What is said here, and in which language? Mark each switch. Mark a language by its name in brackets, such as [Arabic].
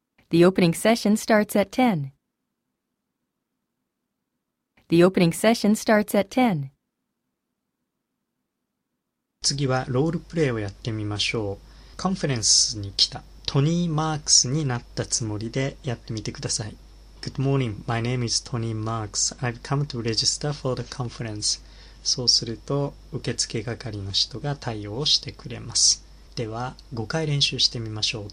[English] The opening session starts at 10. The opening session starts at 10. [Japanese] 次はロールプレイをやってみましょう。コンフェレンスに来た。トニー・マークスになったつもりでやってみてください。 [English] Good morning, my name is Tony Marks. I've come to register for the conference. [Japanese] そうすると、受付係の人が対応をしてくれます。では、5回練習してみましょう。